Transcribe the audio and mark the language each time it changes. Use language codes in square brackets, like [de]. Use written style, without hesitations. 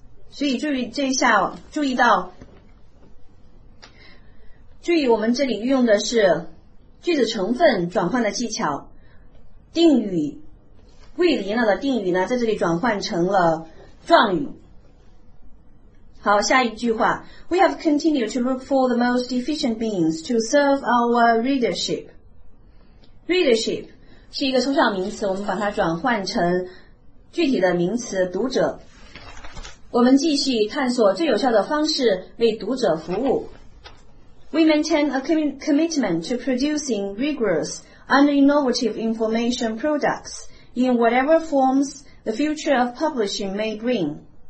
[zh] 所以注意这一下，注意到，注意我们这里运用的是句子成分转换的技巧，定语未连了的定语呢，在这里转换成了状语。好，下一句话 [en] ，We have continued to look for the most efficient means to serve our readership。 [zh] Readership 是一个抽象名词，我们把它转换成具体的名词，读者。我们继续探索最有效的方式为读者服务。 [en] We maintain a commitment to producing rigorous and innovative information products in whatever forms the future of publishing may bring。